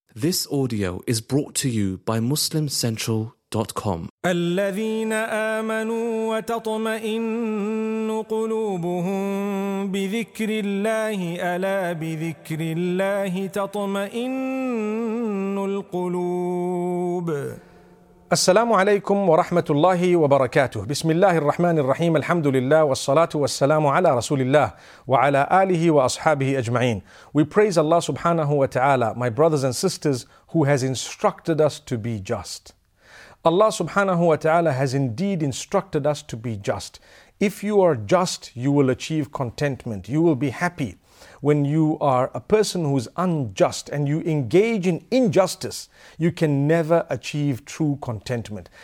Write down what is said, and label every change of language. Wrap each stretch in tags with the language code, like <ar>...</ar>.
<en>This audio is brought to you by MuslimCentral.com.</en> <ar>الذين آمنوا وتطمئن قلوبهم بذكر الله ألا بذكر الله تطمئن القلوب. السلام عليكم ورحمة الله وبركاته. بسم الله الرحمن الرحيم. الحمد لله والصلاة والسلام على رسول الله وعلى آله وأصحابه أجمعين.</ar> <en>We praise Allah subhanahu wa ta'ala, my brothers and sisters, who has instructed us to be just. Allah subhanahu wa ta'ala has indeed instructed us to be just. If you are just, you will achieve contentment. You will be happy. When you are a person who is unjust and you engage in injustice, you can never achieve true contentment.</en>